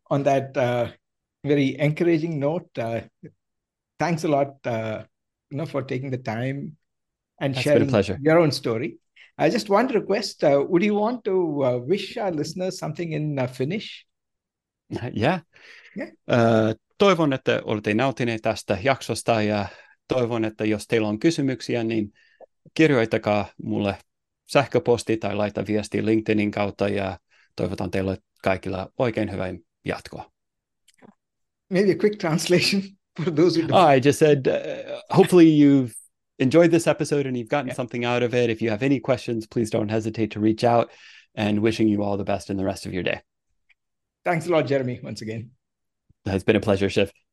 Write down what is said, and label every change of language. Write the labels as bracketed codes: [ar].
[en] On that very encouraging note, thanks a lot for taking the time and sharing your own story. I just want to request, would you want to wish our listeners something in Finnish? Yeah. [fi] Toivon, että olette nauttineet tästä jaksosta, ja toivon, että jos teillä on kysymyksiä, niin kirjoittakaa mulle sähköposti tai laita viesti LinkedInin kautta, ja toivotan teille kaikille oikein hyvää jatkoa. [en] Maybe a quick translation for those who don't. I just said, hopefully you've enjoyed this episode and you've gotten something out of it. If you have any questions, please don't hesitate to reach out, and wishing you all the best in the rest of your day. Thanks a lot, Jeremy, once again. It's been a pleasure, Shiv.